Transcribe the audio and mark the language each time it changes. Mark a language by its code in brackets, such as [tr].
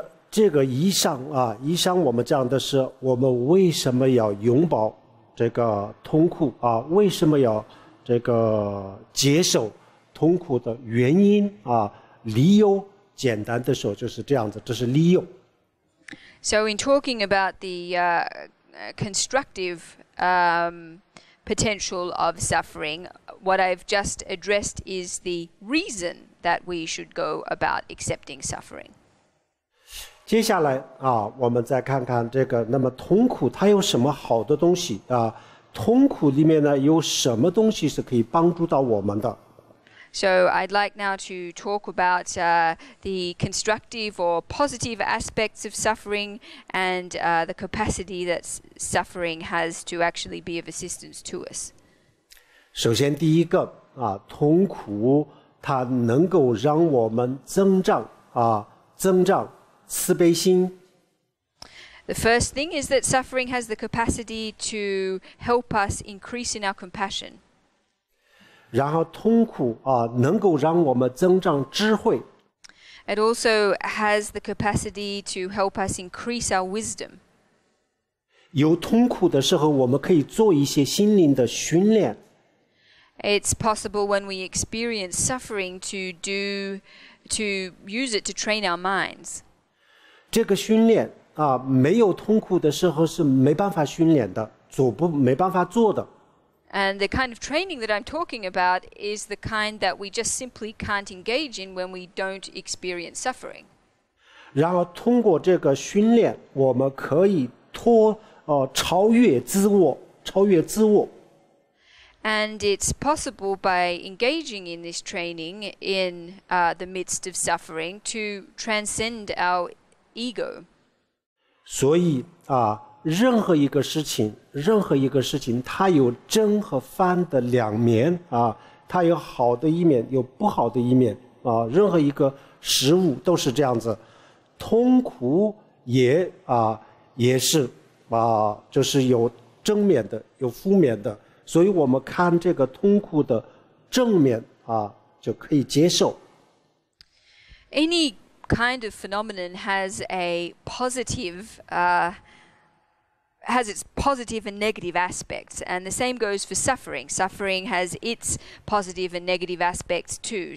[zh] 这个医生啊，医生，我们讲的是我们为什么要拥抱这个痛苦啊？为什么要这个接受痛苦的原因啊？理由，简单的说就是这样子，这是理由。 [en] So in talking about the constructive potential of suffering, what I've just addressed is the reason that we should go about accepting suffering. [zh] 接下来啊，我们再看看这个。那么痛苦它有什么好的东西啊？痛苦里面呢有什么东西是可以帮助到我们的 [en] ？So I'd like now to talk about the constructive or positive aspects of suffering and the capacity that suffering has to actually be of assistance to us. [zh] 首先第一个啊，痛苦它能够让我们增长啊，增长。慈悲心。 [en] The first thing is that suffering has the capacity to help us increase in our compassion. [zh] 然后痛苦啊，能够让我们增长智慧。 [en] It also has the capacity to help us increase our wisdom. [zh] 有痛苦的时候，我们可以做一些心灵的训练。 [en] It's possible when we experience suffering to use it to train our minds. [zh] 这个训练啊，没有痛苦的时候是没办法训练的，没办法做的。 [en] And the kind of training that I'm talking about is the kind that we just simply can't engage in when we don't experience suffering. [zh] 然后通过这个训练，我们可以超越自我，超越自我。 [en] And it's possible by engaging in this training in the midst of suffering to transcend our ego. [zh] 所以啊，任何一个事情，任何一个事情，它有正和反的两面啊，它有好的一面，有不好的一面啊。任何一个事物都是这样子，痛苦也啊，也是啊，就是有正面的，有负面的。所以我们看这个痛苦的正面啊，就可以接受。 [en] Any kind of phenomenon has a positive, has its positive and negative aspects, and the same goes for suffering. Suffering has its positive and negative aspects too.